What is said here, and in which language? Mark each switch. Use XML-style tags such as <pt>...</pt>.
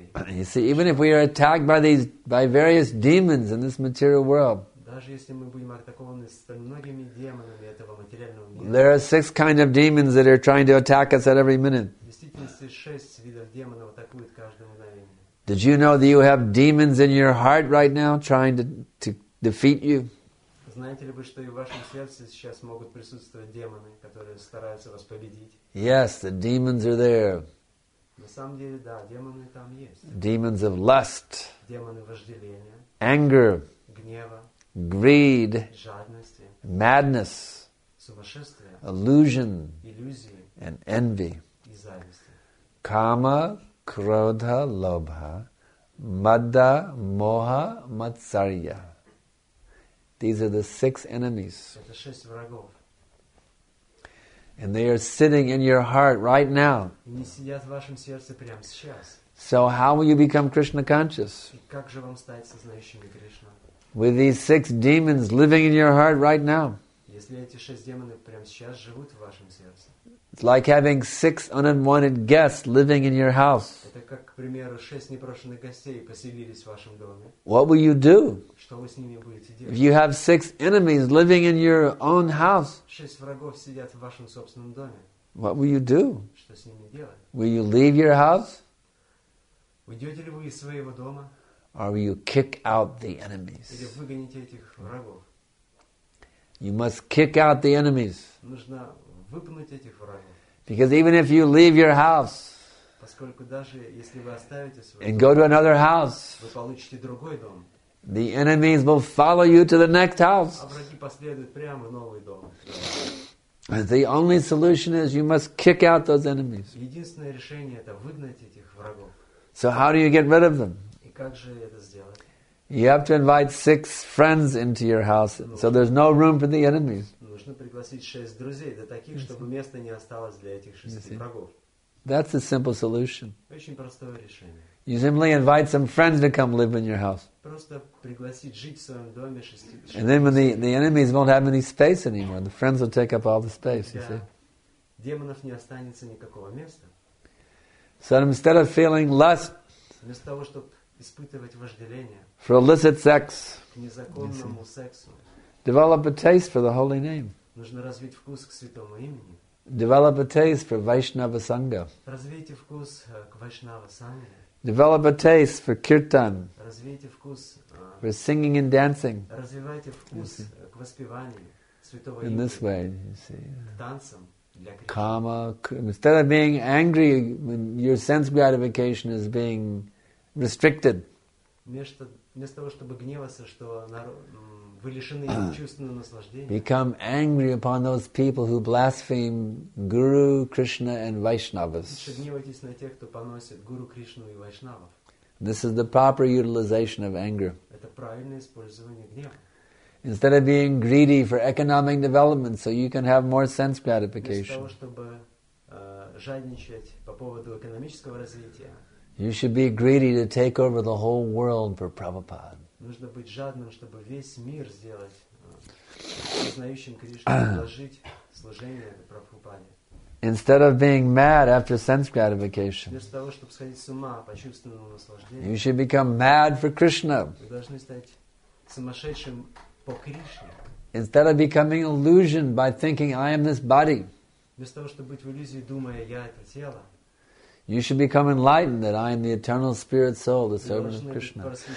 <en>You see, even if we are attacked by various demons in this material world,</en> <ru>Даже если мы будем атакованы с многими демонами этого материального мира.</ru> <en>There are six kinds of demons that are trying to attack us at every minute.</en> <ru>Действительно, шесть видов демонов атакуют каждое мгновение.</ru> <en>Did you know that you have demons in your heart right now trying to defeat you?</en> <ru>Знаете ли вы, что и в вашем сердце сейчас могут присутствовать демоны, которые стараются вас победить?</ru> <en>Yes, the demons are there.</en> <ru>На самом деле, да, демоны там есть.</ru> <en>Demons of lust.</en> <ru>Демоны вожделения.</ru> <en>Anger.</en> <ru>Гнева.</ru> <en>Greed.</en> <ru>Жадности.</ru> <en>Madness.</en> <ru>Сумасшествие.</ru> <en>Illusion.</en> <ru>Иллюзии.</ru> <en>And envy.</en> <ru>И зависть.</ru> <sa>Кама. Krodha, lobha, madha, moha, matsarya.</sa> <en>These are the six enemies.</en> <ru>Это шесть врагов.</ru> <en>And they are sitting in your heart right now.</en> <ru>Они сидят в вашем сердце прямо сейчас.</ru> <en>So how will you become Krishna conscious?</en> <ru>И как же вам стать сознающими Кришну?</ru> <en>With these six demons living in your heart right now.</en> <ru>Если эти шесть демонов прямо сейчас живут в вашем сердце.</ru> <en>It's like having six unwanted guests living in your house.</en> <ru>Это как, к примеру, шесть непрошенных гостей поселились в вашем доме.</ru> <en>What will you do?</en> <ru>Что вы с ними будете делать?</ru> <en>If you have six enemies living in your own house.</en> <ru>Шесть врагов сидят в вашем собственном доме.</ru> <en>What will you do?</en> <ru>Что с ними делать?</ru> <en>Will you leave your house?</en> <ru>Уйдете ли вы из своего дома?</ru> <en>Or will you kick out the enemies?</en> <ru>Или выгоните этих врагов?</ru> <en>You must kick out the enemies.</en> <ru>Нужно выпнуть этих врагов.</ru> <en>Because even if you leave your house,</en> <ru>поскольку даже если вы оставите свой</ru> <en>and go to another house,</en> <ru>вы получите другой дом.</ru> <en>The enemies will follow you to the next house.</en> <ru>А враги последуют прямо в новый дом.</ru> <en>The only solution is you must kick out those enemies.</en> <ru>Единственное решение это выгнать этих врагов.</ru> <en>So how do you get rid of them?</en> <ru>И как же это сделать?</ru> <en>You have to invite six friends into your house, so there's no room for the enemies.</en> <ru>Нужно пригласить шесть друзей, да таких, чтобы места не осталось для этих шести врагов.</ru> <en>That's a simple solution.</en> <ru>Очень простое решение.</ru> <en>You simply invite some friends to come live in your house.</en> <ru>Просто пригласить жить в своем доме шести.</ru> <en>And then when the enemies won't have any space anymore, the friends will take up all the space. You see.</en> <ru>Демонов не останется никакого места.</ru> <en>So instead of feeling lust.</en> <ru>Вместо того, чтобы испытывать вожделение.</ru> <en>For illicit sex.</en> <ru>К незаконному сексу.</ru> <en>Develop a taste for the holy name.</en> <ru>Нужно развить вкус к святому имени.</ru> <en>Develop a taste for Vaishnava Sangha.</en> <ru>Развейте вкус к Вайшнава Сангхе.</ru> <en>Develop a taste for kirtan.</en> <ru>Развейте вкус</ru> <en>for singing and dancing.</en> <ru>Развивайте вкус к воспеванию святого имени.</ru> <en>In this way, you see.</en> <ru>К танцам.</ru> <sa>Kama.</sa> <en>Instead of being angry when your sense gratification is being restricted.</en> <ru>Вместо того, чтобы гневаться, что вы лишены чувственного наслаждения.</ru> <en>Become angry upon those people who blaspheme Guru, Krishna and Vaishnavas.</en> <ru>Гневайтесь на тех, кто поносит Гуру, Кришну и Вайшнавов.</ru> <en>This is the proper utilization of anger.</en> <ru>Это правильное использование гнева.</ru> <en>Instead of being greedy for economic development so you can have more sense gratification.</en> <ru>Вместо того, чтобы жадничать по поводу экономического развития.</ru> <en>You should be greedy to take over the whole world for Prabhupada.</en> <ru>Нужно быть жадным, чтобы весь мир сделать знающим Кришну, предложить служение Прабхупаде.</ru> <en>Instead of being mad after sense gratification.</en> <ru>Вместо того, чтобы сходить с ума по чувственному наслаждению.</ru> <en>You should become mad for Krishna.</en> <ru>Вы должны стать сумасшедшим по Кришне.</ru> <en>Instead of becoming illusion by thinking I am this body.</en> <ru>Вместо того, чтобы быть в иллюзии, думая я это тело.</ru> <en>You should become enlightened that I am the eternal spirit soul, the servant of Krishna.</en>